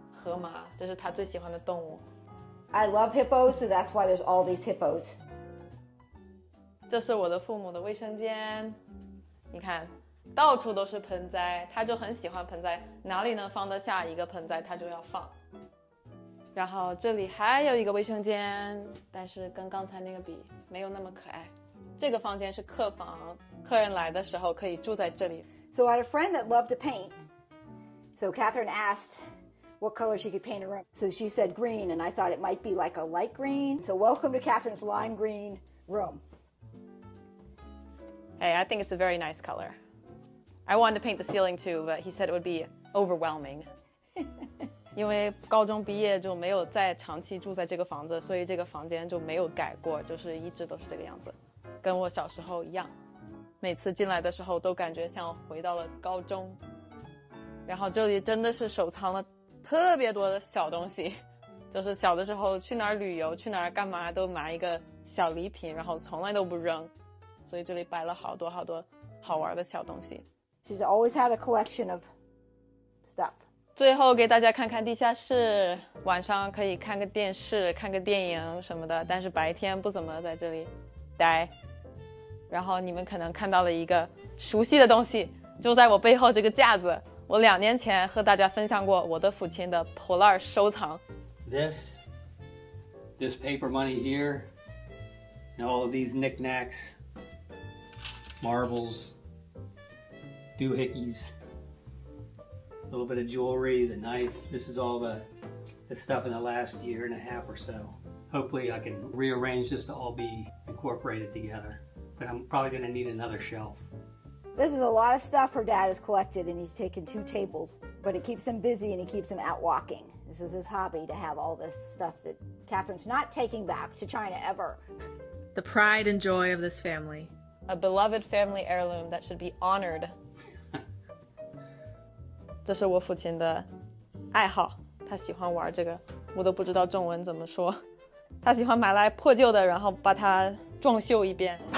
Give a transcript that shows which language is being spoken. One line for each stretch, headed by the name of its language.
Chinese: 河马，这是他最喜欢的动物。
English: I love hippos, so that's why there's all these hippos.
Chinese: 这是我的父母的卫生间，你看，到处都是盆栽，他就很喜欢盆栽，哪里能放得下一个盆栽，他就要放。然后这里还有一个卫生间，但是跟刚才那个比，没有那么可爱。这个房间是客房，客人来的时候可以住在这里。
English: So I had a friend that loved to paint. So Catherine asked what color she could paint a room. So she said green, and I thought it might be like a light green. So welcome to Catherine's lime green room. Hey, I think it's a very nice color. I wanted to paint the ceiling too, but he said it would be overwhelming.
Chinese: 因为高中毕业就没有再长期住在这个房子，所以这个房间就没有改过，就是一直都是这个样子，跟我小时候一样。每次进来的时候都感觉像回到了高中。然后这里真的是收藏了特别多的小东西，就是小的时候去哪儿旅游，去哪儿干嘛都买一个小礼品，然后从来都不扔。所以这里摆了好多好多好玩的小东西。
English: She's always had a collection of stuff.
Chinese: 最后给大家看看地下室，晚上可以看个电视，看个电影什么的，但是白天不怎么在这里待。然后你们可能看到了一个熟悉的东西，就在我背后这个架子。我两年前和大家分享过我的父亲的破烂收藏。
English: This paper money here, and all of these knickknacks. Marbles, doohickeys, a little bit of jewelry, the knife. This is all the stuff in the last year and a half or so. Hopefully I can rearrange this to all be incorporated together. But I'm probably going to need another shelf. This is a lot of stuff her dad has collected, and he's taken two tables. But it keeps him busy and it keeps him out walking. This is his hobby, to have all this stuff that Catherine's not taking back to China ever. The pride and joy of this family. A beloved family heirloom that should be honored.
Chinese: 这是我父亲的爱好，他喜欢玩这个，我都不知道中文怎么说。他喜欢买来破旧的，然后把它装修一遍。